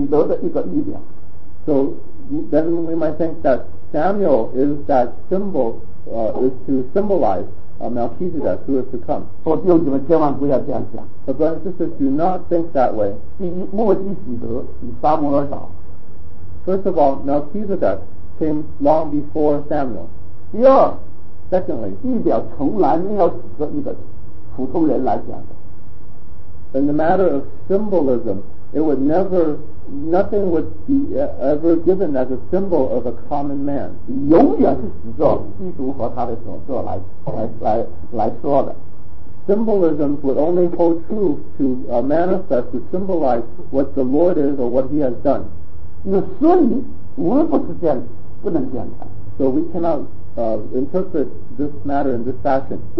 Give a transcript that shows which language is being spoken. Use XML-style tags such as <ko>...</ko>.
<zh>那所以现在撒母耳大概就是那个这个摩西喜德的一个预表。</zh> <en>So then we might think that Samuel is that symbol is to symbolize Melchizedek who is to come.</en> <zh>弟兄姐妹千万不要这样想。</zh> <en>But brothers and sisters, do not think that way.</en> <zh>第一，摩西喜德比撒母耳早。</zh> <en>First of all, Melchizedek came long before Samuel.</en> <zh>第二。</zh> <en>Secondly,</en> <zh>预表从来没有一个普通人来讲的。</zh> <en>In the matter of symbolism, nothing would be ever given as a symbol of a common man.</en> <zh>永远是指着基督和他的所作来说的。</zh> <en>Symbolism would only hold true to manifest, to symbolize what the Lord is or what he has done.</en> <zh>那所以我们不能这样看。</zh> <en>So we cannot interpret this matter in this fashion.</en>